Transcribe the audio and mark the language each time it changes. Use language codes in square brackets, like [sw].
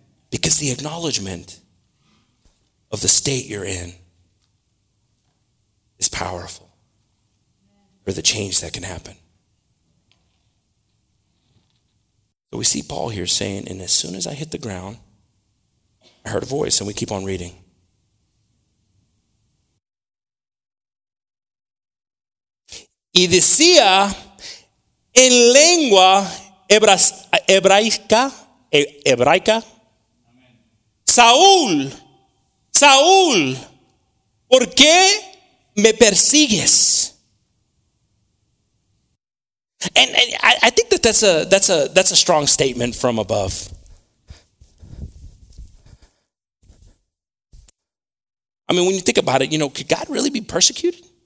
[en] Because the acknowledgement of the state you're in is powerful for the change that can happen. So we see Paul here saying, and as soon as I hit the ground, I heard a voice, and we keep on reading. [es] Y decía en lengua hebraica, Saúl, Saúl, ¿por qué me persigues? [en] And I think that that's a strong statement from above. I mean, when you think about it, you know, could God really be persecuted?